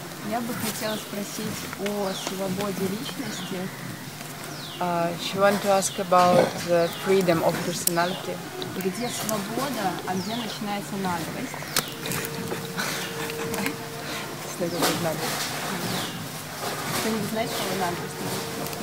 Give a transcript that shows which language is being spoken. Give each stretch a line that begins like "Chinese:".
Russian: Я бы хотела спросить о свободе личности.
English: She want to ask about the freedom of personality.
Russian: Где свобода, а где начинается наглость? Что это за наглость? Ты не знаешь, что наглость?